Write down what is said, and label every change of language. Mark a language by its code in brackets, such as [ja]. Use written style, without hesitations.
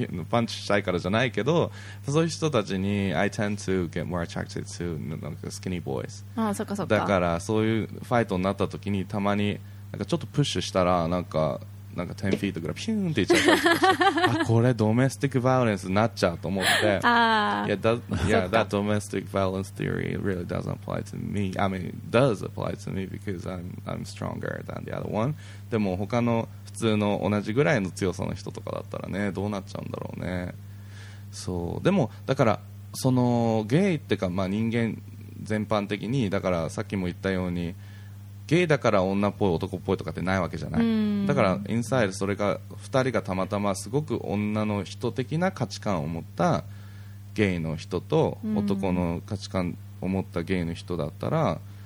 [ja] パンチしたいからじゃないけど、そういう人たちに [en] I tend to get more attracted to [ja] なんか [en] skinny boys。 [ja] ああ、そっかそっか。だからそういうファイトになった時にたまになんかちょっとプッシュしたらなんか10フィートぐらいピューンっていっちゃう。あ、これドメスティックバイオレンスになっちゃうと思って。ああ。 [en] Yeah, that domestic violence theory really doesn't apply to me. I mean, does apply to me because I'm stronger than the other one. [ja] でも他の普通の同じぐらいの強さの人とかだったらね、どうなっちゃうんだろうね。そう。でも、だから、そのゲイってか、まあ人間全般的に、だからさっきも言ったように、ゲイだから女っぽい男っぽいとかってないわけじゃないだからインサイドそれが2人がたまたますごく女の人的な価値観を持ったゲイの人と男の価値観を持ったゲイの人だったら